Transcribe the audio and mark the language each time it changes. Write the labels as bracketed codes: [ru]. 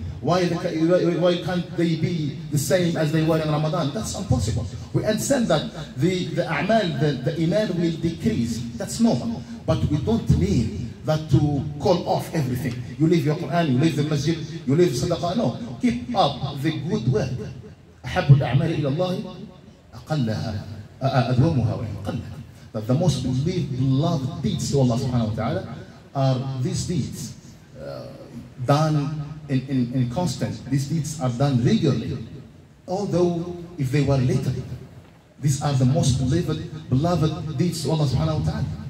[en] Why can't they be the same as they were in Ramadan? That's impossible. We understand that the a'mal, the iman will decrease. That's normal. But we don't mean that to call off everything. You leave your Quran, you leave the masjid, you leave sadaqah. No, keep up the good work. [ar] أحب الأعمال إلى الله أقلها أدومها وأقلها. [en] But the most beloved deeds to Allah subhanahu wa ta'ala are these deeds done in constant. These deeds are done regularly. Although if they were later, these are the most beloved deeds to Allah subhanahu wa ta'ala.